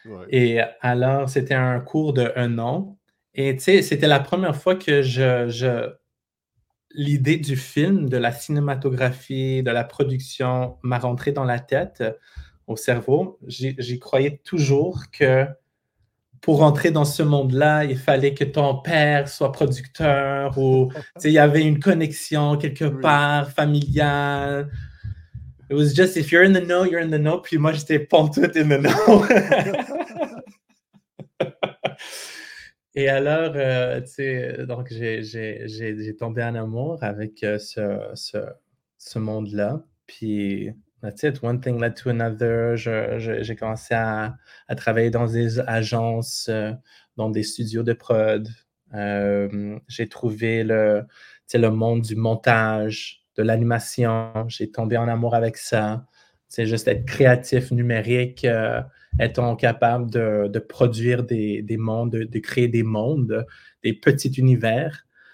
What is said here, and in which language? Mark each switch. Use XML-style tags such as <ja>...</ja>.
<fr>Et alors, c'était un cours de un an. Et tu sais, c'était la première fois que l'idée du film, de la cinématographie, de la production m'a rentré dans la tête, au cerveau. J'y croyais toujours que pour rentrer dans ce monde-là, il fallait que ton père soit producteur ou tu sais, il y avait une connexion quelque part familiale.</fr> <en>It was just, if you're in the know, you're in the know.</en> <fr>Puis moi, j'étais pantoute in Et alors, tu sais, donc j'ai tombé en amour avec ce monde-là.</fr> <en>Puis, that's it, one thing led to another.</en> <fr>J'ai commencé à travailler dans des agences, dans des studios de prod. J'ai trouvé le monde du montage, de l'animation, j'ai tombé en amour avec ça. C'est juste être créatif, numérique, étant capable de produire des mondes, de créer des mondes, des petits univers.</fr>